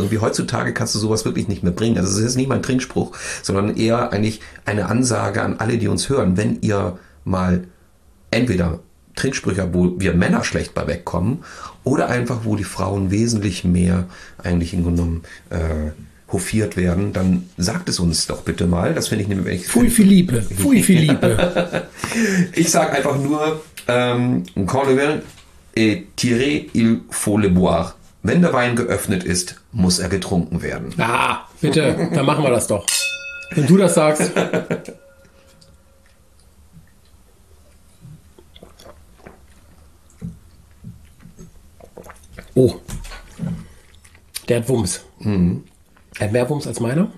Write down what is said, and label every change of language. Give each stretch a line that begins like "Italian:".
German: Irgendwie heutzutage kannst du sowas wirklich nicht mehr bringen. Also es ist nicht mal ein Trinkspruch, sondern eher eigentlich eine Ansage an alle, die uns hören. Wenn ihr mal entweder Trinksprüche, wo wir Männer schlecht bei wegkommen, oder einfach, wo die Frauen wesentlich mehr eigentlich hingenommen hofiert werden, dann sagt es uns doch bitte mal. Das finde ich nämlich echt. Fui Philippe, fui Philippe. Ich sage einfach nur,
French: quand le vin est tiré, il faut le boire.
German: Wenn der Wein geöffnet ist, muss er getrunken werden. Ah, bitte, dann machen wir das doch. Wenn du das sagst. Oh, der hat Wumms. Mhm. Er hat mehr Wumms als meiner.